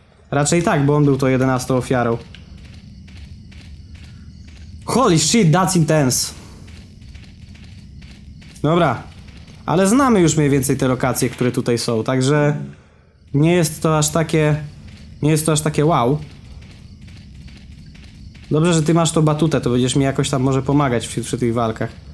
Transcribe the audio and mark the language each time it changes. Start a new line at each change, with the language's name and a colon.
Polish: Raczej tak, bo on był to 11 ofiarą.
English: Holy shit, that's intense.
Polish: Dobra, ale znamy już mniej więcej te lokacje, które tutaj są, także nie jest to aż takie... Nie jest to aż takie wow. Dobrze, że ty masz tą batutę, to będziesz mi jakoś tam może pomagać przy tych walkach.